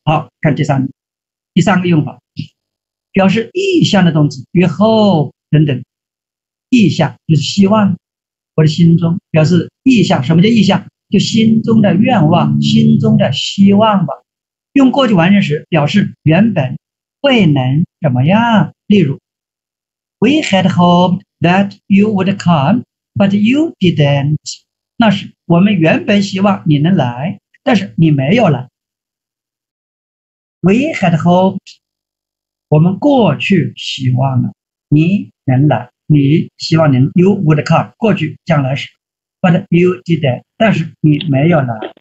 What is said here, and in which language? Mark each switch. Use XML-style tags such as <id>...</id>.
<zh>好，看第三个用法，表示意向的动词，比如 hope 等等。意向就是希望，或者心中，表示意向。什么叫意向？就心中的愿望，心中的希望吧。用过去完成时表示原本未能怎么样。例如</zh> <en>，We had hoped that you would come, but you didn't.</en> <zh>那是我们原本希望你能来，但是你没有来。</zh> <en>We had hoped，</en> <zh>我们过去希望了你能来，你希望能 ，</zh> <en>you would come，</en> <zh>过去将来时 ，</zh> <en>but you didn't，</en> <zh>但是你没有来。</zh>